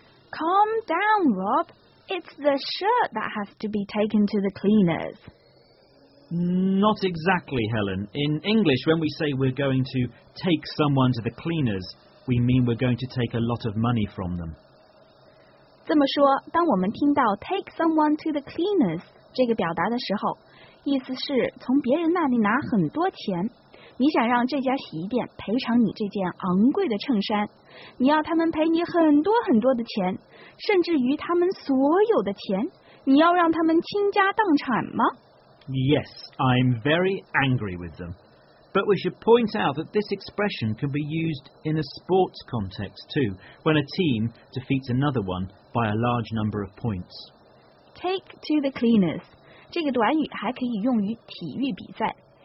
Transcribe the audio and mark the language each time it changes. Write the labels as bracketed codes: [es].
[en] Calm down, Rob. It's the shirt that has to be taken to the cleaners. Not exactly, Helen. In English, when we say we're going to take someone to the cleaners, we mean we're going to take a lot of money from them. [zh] 这么说，当我们听到 [en] take someone to the cleaners [zh] 这个表达的时候，意思是从别人那里拿很多钱。你想让这家洗衣店赔偿你这件昂贵的衬衫，你要他们赔你很多很多的钱，甚至于他们所有的钱，你要让他们倾家荡产吗？ [en] Yes, I'm very angry with them. But we should point out that this expression can be used in a sports context too, when a team defeats another one by a large number of points. Take to the cleaners. [zh] 这个短语还可以用于体育比赛。